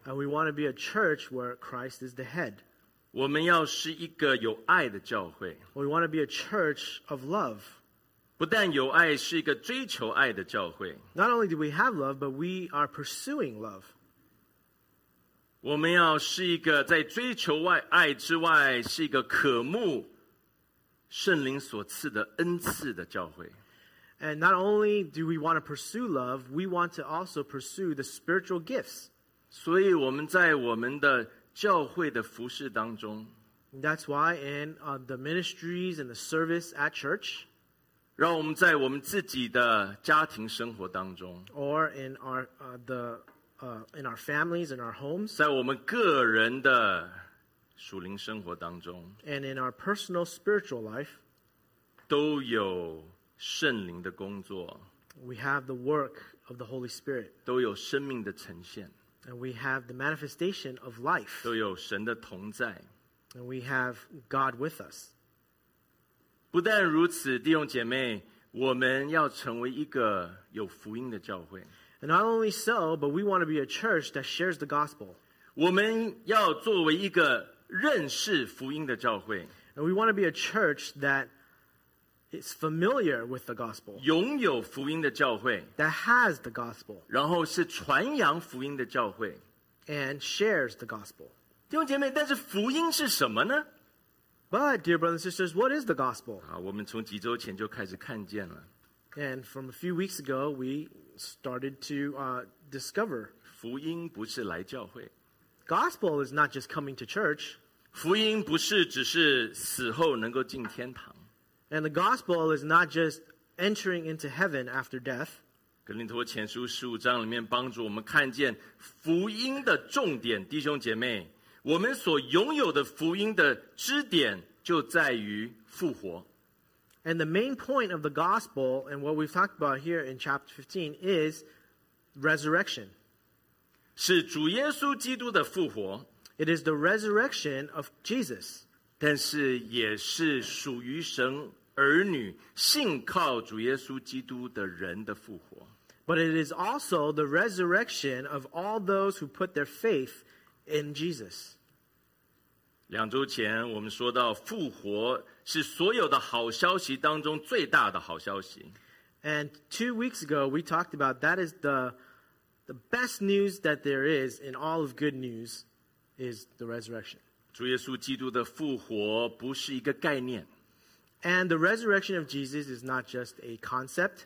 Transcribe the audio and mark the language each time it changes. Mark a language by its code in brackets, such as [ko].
[en] And we want to be a church where Christ is the head. [zh] 我们要是一个有爱的教会。 [en] We want to be a church of love. [zh] 不但有爱，是一个追求爱的教会。 [en] Not only do we have love, but we are pursuing love. [zh] 我们要是一个在追求爱之外，是一个渴慕圣灵所赐的恩赐的教会。 [en] And not only do we want to pursue love, we want to also pursue the spiritual gifts. [zh] 所以我们在我们的教会的服事当中， [en] That's why in the ministries and the service at church, [zh] 让我们在我们自己的家庭生活当中， [en] or in our in our families and our homes, [zh] 在我们个人的属灵生活当中， [en] and in our personal spiritual life, [zh] 都有圣灵的工作， [en] we have the work of the Holy Spirit, [zh] 都有生命的呈现。 [en] And we have the manifestation of life. [zh] 都有神的同在。 [en] And we have God with us. [zh] 不但如此，弟兄姐妹，我们要成为一个有福音的教会。 [en] And not only so, but we want to be a church that shares the gospel. [zh] 我们要作为一个认识福音的教会。 [en] And we want to be a church that is familiar with the gospel. [zh] 拥有福音的教会。 [en] That has the gospel. [zh] 然后是传扬福音的教会。 [en] And shares the gospel. [zh] 弟兄姐妹，但是福音是什么呢？ [en] But, dear brothers and sisters, what is the gospel? [zh] 好，我们从几周前就开始看见了。 [en] And from a few weeks ago, we started to discover. [zh] 福音不是来教会。 [en] Gospel is not just coming to church. [zh] 福音不是只是死后能够进天堂。 [en] And the gospel is not just entering into heaven after death. [zh] 哥林多前书十五章里面帮助我们看见福音的重点，弟兄姐妹，我们所拥有的福音的支点就在于复活。 [en] And the main point of the gospel and what we've talked about here in chapter 15 is resurrection. [zh] 是主耶稣基督的复活。 [en] It is the resurrection of Jesus. [zh] 但是也是属于神儿女信靠主耶稣基督的人的复活。 [en] But it is also the resurrection of all those who put their faith in Jesus. [zh] 两周前我们说到复活是所有的好消息当中最大的好消息。 [en] And 2 weeks ago, we talked about that is the best news that there is in all of good news is the resurrection. [zh] 主耶稣基督的复活不是一个概念。 [en] And the resurrection of Jesus is not just a concept.